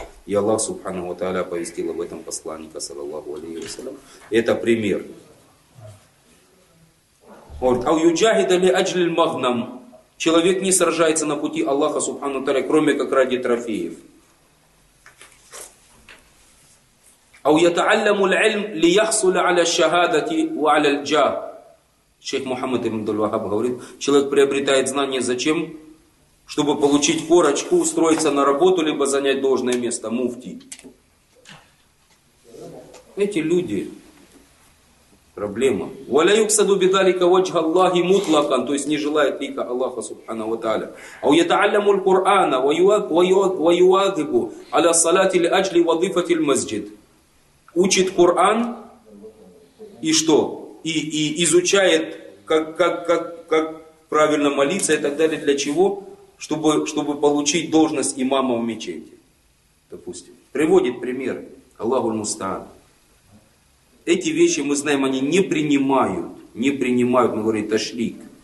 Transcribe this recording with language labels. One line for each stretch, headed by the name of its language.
Russian: И Аллах, Субхану ва Тааля, оповестил об этом посланника, саллаллаху алейхи ва саллям. Это пример. Говорит,
Arabic: ау юджахида ли аджли магнам.
Russian: Человек не сражается на пути Аллаха, Субхану ва Тааля, кроме как ради трофеев.
Arabic: أو يتعلم العلم ليحصل على الشهادة وعلى الجاه.
Russian: Шейх Мухаммад ибн Абдул-Вахаб говорит, человек приобретает знания зачем? Чтобы получить корочку, устроиться на работу, либо занять должное место муфти. Эти люди, проблема.
Arabic: ولا يقصد بذلك وجه الله مطلقا,
Russian: то есть не желает лика Аллаха Субхана ва Тааля.
Arabic: أو يتعلم القرآن ويواظب على الصلاة لأجل وظيفة المسجد.
Russian: Учит Коран и что? И изучает, как правильно молиться и так далее. Для чего? Чтобы получить должность имама в мечети. Допустим. Приводит пример. Аллаху аль-Мустаан. Эти вещи, мы знаем, они не принимают. Не принимают, мы говорим, ташрик.